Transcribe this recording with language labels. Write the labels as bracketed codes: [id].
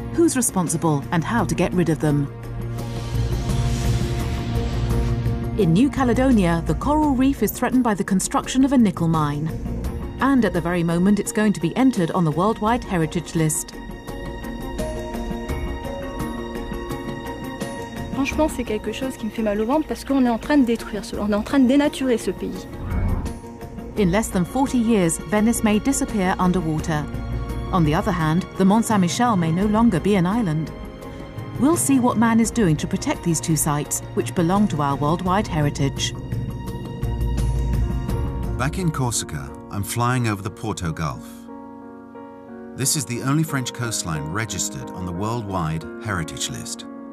[en] Who's responsible and how to get rid of them? In New Caledonia, the coral reef is threatened by the construction of a nickel mine. And at the very moment, it's going to be entered on the Worldwide Heritage List. [fr] Franchement, c'est quelque chose qui me fait mal au ventre parce qu'on est en train de détruire cela, on est en train de dénaturer ce pays. [en] In less than 40 years, Venice may disappear underwater. On the other hand, the Mont Saint-Michel may no longer be an island. We'll see what man is doing to protect these two sites, which belong to our worldwide heritage. Back in Corsica, I'm flying over the Porto Gulf. This is the only French coastline registered on the Worldwide Heritage List.